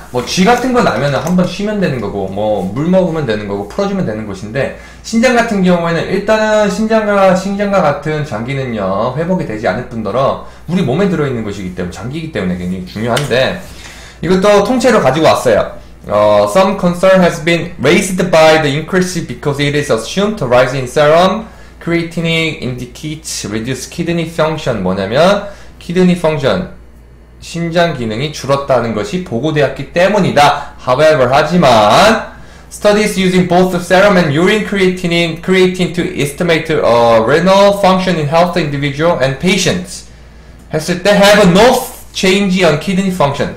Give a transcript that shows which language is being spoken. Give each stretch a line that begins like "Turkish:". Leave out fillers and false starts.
Korean: 뭐 쥐 같은 거 나면은 한번 쉬면 되는 거고, 뭐 물 먹으면 되는 거고, 풀어주면 되는 것인데, 신장 같은 경우에는 일단은 신장과 같은 장기는요, 회복이 되지 않을 뿐더러 우리 몸에 들어있는 것이기 때문에, 장기이기 때문에 굉장히 중요한데, 이것도 통째로 가지고 왔어요.
English: Some concern has been raised by the increase because it is assumed to rise in serum creatinine indicates reduced kidney function.
Korean: 뭐냐면 키드니 펑션, 신장 기능이 줄었다는 것이 보고되었기 때문이다.
English: However,
Korean: 하지만
English: studies using both serum and urine creatinine to estimate renal function in healthy individual and patients
Korean: 했을 때
English: have no change on kidney function.